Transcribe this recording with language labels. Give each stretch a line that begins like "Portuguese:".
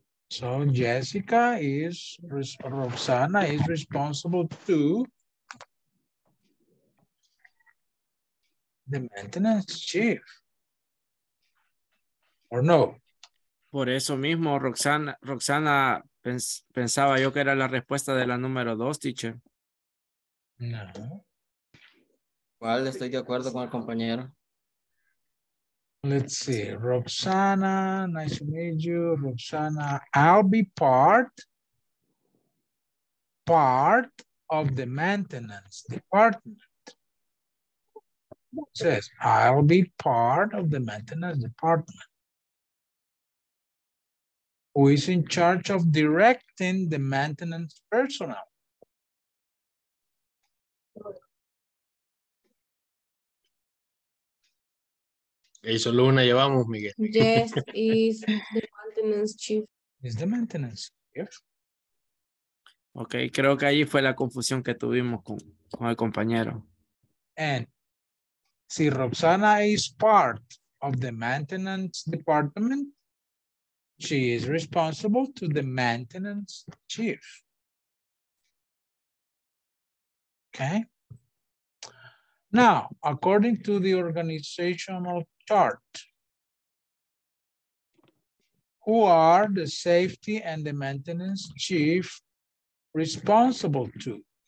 English: So Jessica is, Roxana is responsible to the maintenance chief.
Spanish: ¿O no? Por eso mismo, Roxana pensaba yo que era la respuesta de la número dos, teacher. No. ¿Cuál? Estoy de acuerdo con el compañero.
English: Let's see. Roxana, nice to meet you. Roxana, I'll be part of the maintenance department. It says, I'll be part of the maintenance department. Who is in charge of directing the maintenance personnel?
Spanish: Eso lo una llevamos, Miguel.
English: Yes, is the maintenance chief. Is the maintenance chief.
Spanish: Ok, creo que allí fue la confusión que tuvimos con el compañero.
English: And si Roxana is part of the maintenance department, she is responsible to the maintenance chief. Okay. Now, according to the organizational chart, who are the safety and the maintenance chief responsible to?